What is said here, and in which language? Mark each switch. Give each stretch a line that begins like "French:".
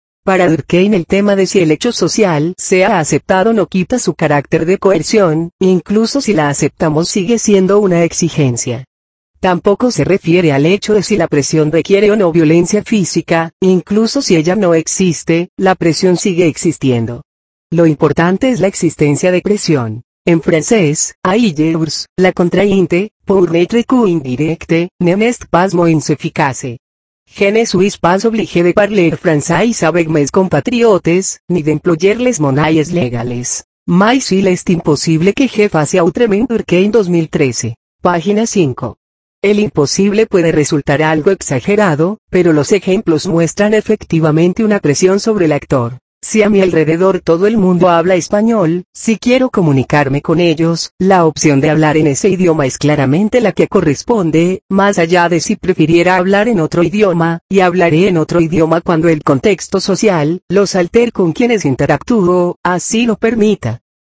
Spanish: Para Durkheim el tema de si el hecho social sea aceptado no quita su carácter de coerción, incluso si la aceptamos sigue siendo una exigencia. Tampoco se refiere al hecho de si la presión requiere o no violencia física, incluso si ella no existe, la presión sigue existiendo. Lo importante es la existencia de presión. En francés,
French: ailleurs, la contrainte, pour n'être qu'indirecte, n'est pas moins efficace. Je ne suis pas obligé de parler français avec mes compatriotes, ni de employerles monnaies légales. Mais il est impossible que je fasse autrement.
Spanish: Durkheim 2013. Página 5. El imposible puede resultar algo exagerado, pero los ejemplos muestran efectivamente una presión sobre el actor. Si a mi alrededor todo el mundo habla español, si quiero comunicarme con ellos, la opción de hablar en ese idioma es claramente la que corresponde, más allá de si prefiriera hablar en otro idioma, y hablaré en otro idioma cuando el contexto social, los alter con quienes interactúo, así lo permita.